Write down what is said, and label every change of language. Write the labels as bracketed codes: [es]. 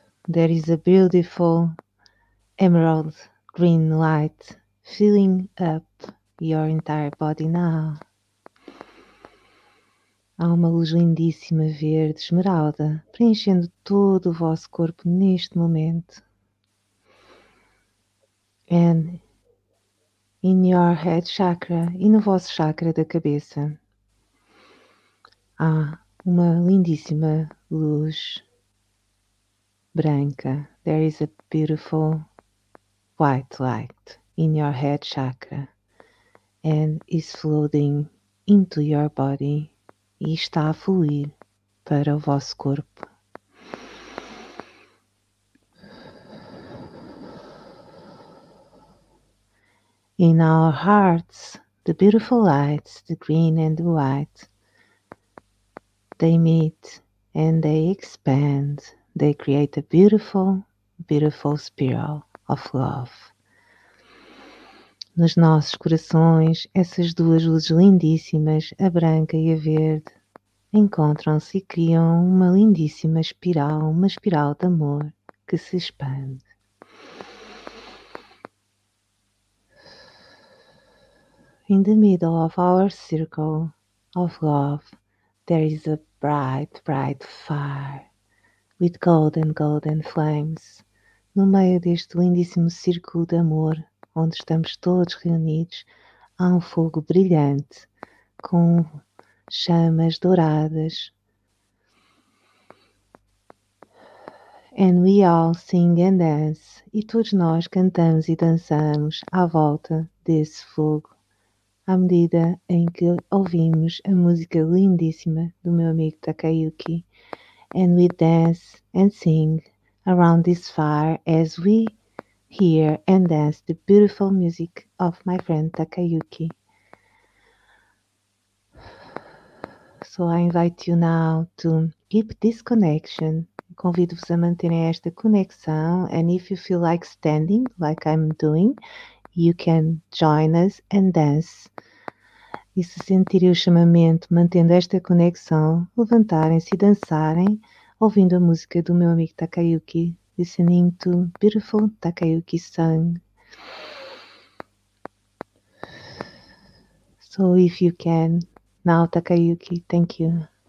[en] There is a beautiful emerald green light filling up your entire body now. [pt] Há uma luz lindíssima verde esmeralda preenchendo todo o vosso corpo neste momento. [en] And in your head chakra, [pt] e no vosso chakra da cabeça, há uma lindíssima luz branca. [en] There is a beautiful white light in your head chakra and is flowing into your body [pt] e está a fluir para o vosso corpo. [en] In our hearts, the beautiful lights, the green and the white, they meet and they expand. They create a beautiful, beautiful spiral of love. [pt] Nos nossos corações, essas duas luzes lindíssimas, a branca e a verde, encontram-se e criam uma lindíssima espiral, uma espiral de amor que se expande. [en] In the middle of our circle of love, there is a bright, bright fire with golden, golden flames. [pt] No meio deste lindíssimo círculo de amor, onde estamos todos reunidos, há um fogo brilhante com chamas douradas. [en] And we all sing and dance. [pt] E todos nós cantamos e dançamos à volta desse fogo, à medida em que ouvimos a música lindíssima do meu amigo Takayuki. [en] And we dance and sing around this fire as we hear and dance the beautiful music of my friend Takayuki. So I invite you now to keep this connection. [pt] Convido-vos a manter esta conexão. [en] And if you feel like standing, like I'm doing, you can join us and dance. [pt] E se sentirem o chamamento mantendo esta conexão, levantarem-se e dançarem, ouvindo a música do meu amigo Takayuki, [en] listening to beautiful Takayuki song. So if you can, now Takayuki, thank you.